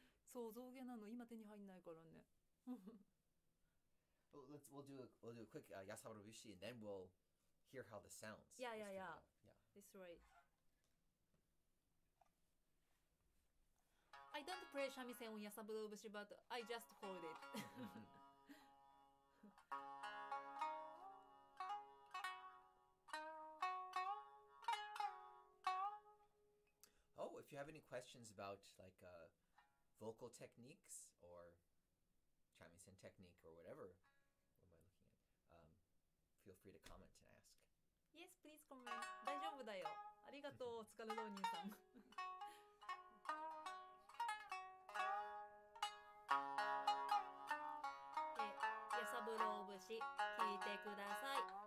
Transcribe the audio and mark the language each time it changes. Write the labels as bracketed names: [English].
[Japanese] そう、象牙なの今手に入んないからね。 [English] well, we'll do a quick Yasaburo Bushi and then we'll hear how the sounds. Yeah, yeah, yeah. Yeah. That's right. I don't play shamisen on Yasaburo Bushi, but I just hold it. Oh, if you have any questions about like vocal techniques or shamisen technique or whatever, what am I looking at? Feel free to comment and ask. Yes, please comment. [Japanese] 大丈夫だよ。ありがとう、疲れのお兄さん。やさぶろう節、聞いてください。